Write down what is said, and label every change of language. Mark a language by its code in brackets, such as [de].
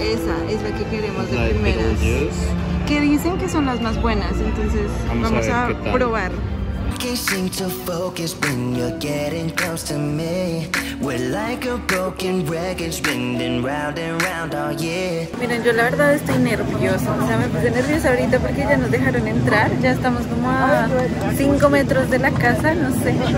[es] Esa es la que queremos de primeras. Que dicen que son las más buenas, entonces vamos a probar. [en] Can't seem to focus when you're getting close to me. We're like a broken record spinning round and round, oh yeah. [es] Miren, yo la verdad estoy nerviosa. O sea, me puse nerviosa ahorita porque ya nos dejaron entrar. Ya estamos como a 5 metros de la casa, no sé.